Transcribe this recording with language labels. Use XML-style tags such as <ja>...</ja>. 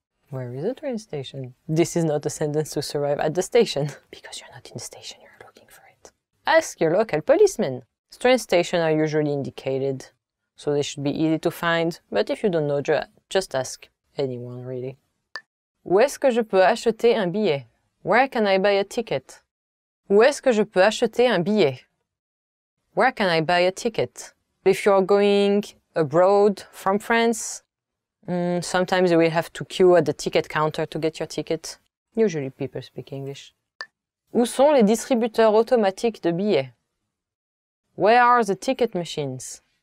<en>Where is the train station? This is not a sentence to survive at the station. Because you're not in the station, you're looking for it. Ask your local policeman. Train stations are usually indicated, so they should be easy to find. But if you don't know, just ask anyone, really.</en> <fr>Où est-ce que je peux acheter un billet?</fr> <en>Where can I buy a ticket?</en> <fr>Où est-ce que je peux acheter un billet?</fr> <en>Where can I buy a ticket? If you're going abroad from France, sometimes you will have to queue at the ticket counter to get your ticket. Usually people speak English.</en> <fr>Où sont les distributeurs automatiques de billets?</fr> <en>Where are the ticket machines?</en>